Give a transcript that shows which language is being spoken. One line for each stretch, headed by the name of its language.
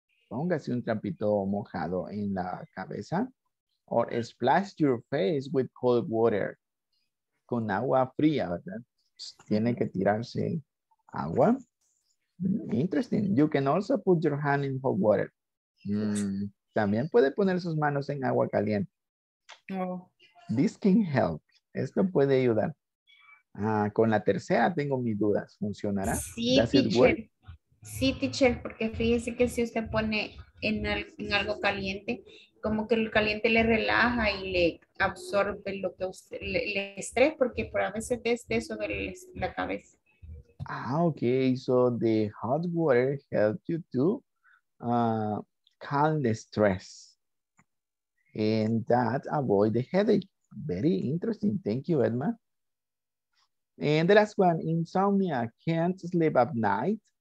Spanish: Póngase un trapito mojado en la cabeza.
English: Or splash your face with cold water.
Spanish: Con agua fría, ¿verdad? Tiene que tirarse agua. Interesting.
English: You can also put your hand in hot water.
Spanish: También puede poner sus manos en agua caliente. Oh.
English: This can help.
Spanish: Esto puede ayudar. Con la tercera tengo mis dudas. ¿Funcionará? Sí, teacher. Sí, teacher, porque fíjese que si usted pone en algo caliente, como que el caliente le relaja y le absorbe lo que usted le estrés, porque por a veces te eso de la cabeza.
English: Ah, ok. So the hot water helps you to calm the stress. And that avoid the headache. Very interesting. Thank you, Edma. And the last one, insomnia, can't sleep at night.